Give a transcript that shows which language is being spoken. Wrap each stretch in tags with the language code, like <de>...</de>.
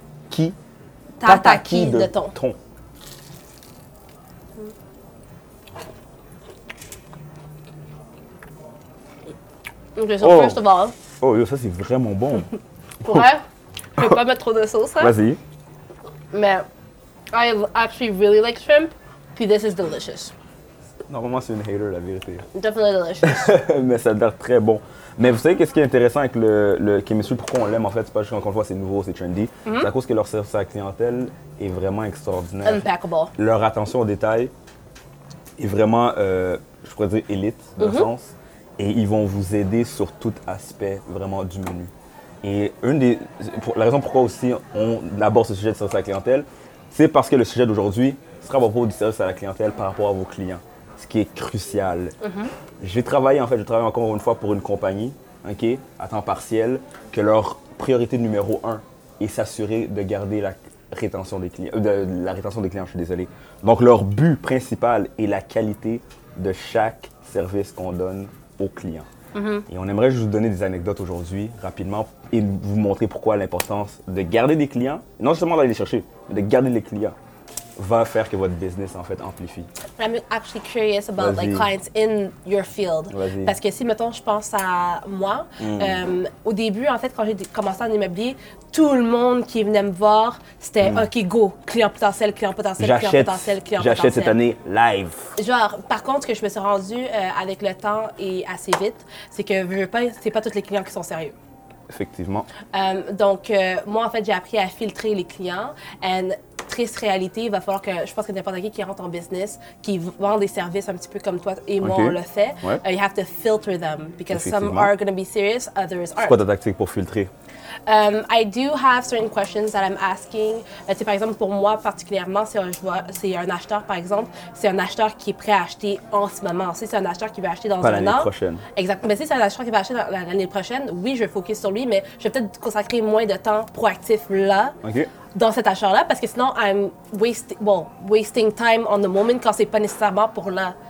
<fr>Qui? Tataki de ton. Ton.</fr> <en>Okay, so oh. First of all.</en> <fr>Oh, yo, ça c'est vraiment bon. Ouais, je peux pas mettre trop de sauce. Hein? Vas-y.</fr> <en>Mais, I actually really like shrimp, puis this is delicious.</en> <fr>Normalement, c'est une hater, la vérité.</fr> <en>Definitely delicious.</en> <fr>Mais ça a l'air très bon. Mais vous savez qu'est-ce qui est intéressant avec le Kimestre, pourquoi on l'aime en fait, c'est pas juste qu'on le voit, c'est nouveau, c'est trendy. Mm-hmm. C'est à cause que leur service à la clientèle est vraiment extraordinaire. Impeccable. Leur attention au détail est vraiment, je pourrais dire, élite, dans le sens. Et ils vont vous aider sur tout aspect vraiment du menu. Et la raison pourquoi aussi on aborde ce sujet de service à la clientèle, c'est parce que le sujet d'aujourd'hui sera à propos du service à la clientèle par rapport à vos clients. Ce qui est crucial. Mm-hmm. J'ai travaillé en fait, je travaille encore une fois pour une compagnie, ok, à temps partiel, que leur priorité numéro un est s'assurer de garder la rétention des clients. La rétention des clients, je suis désolé. Donc leur but principal est la qualité de chaque service qu'on donne aux clients. Mm-hmm. Et on aimerait juste vous donner des anecdotes aujourd'hui, rapidement, et vous montrer pourquoi l'importance de garder des clients, non seulement d'aller les chercher, mais de garder les clients. Va faire que votre business en fait amplifie.</fr> <en>I'm actually curious about like clients in your field.</en> <fr>Vas-y. Parce que si mettons je pense à moi, au début en fait quand j'ai commencé en immobilier, tout le monde qui venait me voir, c'était OK go, client potentiel. J'achète cette année live. Genre par contre ce que je me suis rendu avec le temps et assez vite, c'est que je veux pas c'est pas tous les clients qui sont sérieux. Effectivement. Moi en fait, j'ai appris à filtrer les clients and triste réalité, il va falloir que, je pense que n'importe qui rentre en business, qui vend des services un petit peu comme toi et moi, on le fait,</fr> <en>you have to filter them, because some are going to be serious, others aren't.</en> <fr>C'est quoi ta tactique pour filtrer?</fr> <en>I do have certain questions that I'm asking.</en> <fr>T'sais, par exemple, pour moi particulièrement, c'est un acheteur qui est prêt à acheter en ce moment. Si c'est un acheteur qui veut acheter dans pas un an. Pas l'année prochaine. Exactement. Mais si c'est un acheteur qui veut acheter dans l'année prochaine, oui, je vais focus sur lui, mais je vais peut-être consacrer moins de temps proactif là. OK. Dans cet achat-là, parce que sinon,</fr> <en>I'm wasting time on the moment</en> <fr>quand c'est pas nécessairement pour là.</fr>